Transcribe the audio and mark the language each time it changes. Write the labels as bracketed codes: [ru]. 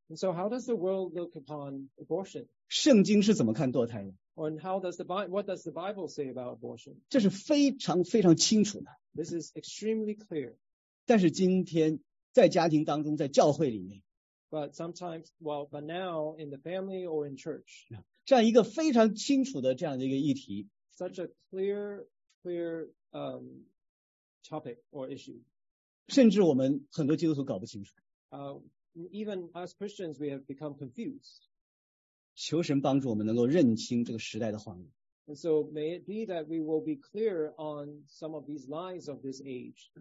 [en] And so how does the world look upon abortion? [zh] 圣经是怎么看堕胎的? [en] And how does what does the Bible say about abortion? [zh] 这是非常非常清楚的。 [en] This is extremely clear. [zh] 但是今天在家庭当中,在教会里面, [en] But sometimes, well, but now in the family or in church. [zh] 这样一个非常清楚的这样的一个议题, [en] such a clear topic or issue. [zh] 甚至我们很多基督徒搞不清楚。 [en] Even as Christians, we have become confused. [zh] 求神帮助我们能够认清这个时代的谎言。 [en] And so may it be that we will be clear on some of these lies of this age.